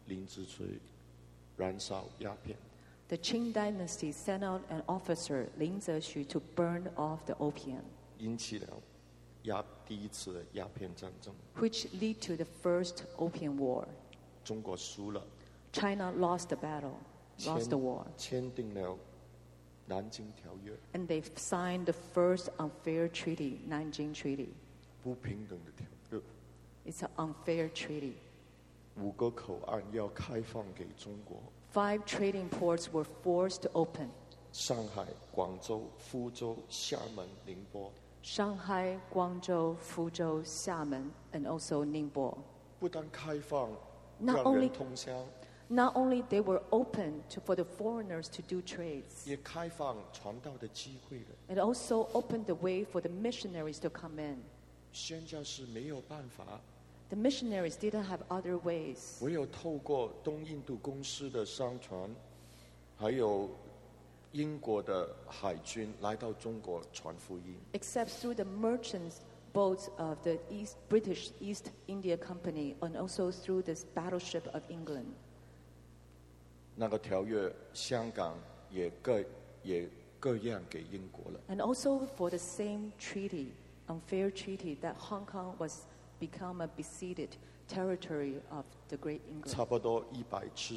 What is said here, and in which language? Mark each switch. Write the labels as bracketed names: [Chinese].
[Chinese] 大清政府派遣官员林则徐燃烧鸦片。 [English] The Qing Dynasty sent out an officer, Lin Zexu, to burn off the opium. [Chinese] 引起了第一次鸦片战争。 [English] Which led to the first opium war. [Chinese] 中国输了。 [English] China lost the battle, lost the war. [Chinese] 签订了南京条约。 [English] And they signed the first unfair treaty, Nanjing Treaty. [Chinese] 不平等的条约。 [English] It's an unfair treaty. [Chinese] 五个口岸要开放给中国。 [English] Five trading ports were forced to open. [Chinese] 上海、广州、福州、厦门、宁波。 [English] Shanghai, Guangzhou, Fuzhou, Xiamen, and also Ningbo. [Chinese] 不但开放, 让人通宵, [English] not only they were open for the foreigners to do trades. [Chinese] 也开放传道的机会了。 [English] It also opened the way for the missionaries to come in. [Chinese] 宣教士没有办法。 [English] The missionaries didn't have other ways. [Chinese] 唯有透过东印度公司的商船，还有英国的海军来到中国传福音。 [English] Except through the merchant boats of the British East India Company, and also through this battleship of England. [Chinese] 那个条约，香港也割让给英国了。 [English] And also for the same treaty, unfair treaty that Hong Kong was. Become a besieged territory of the Great England.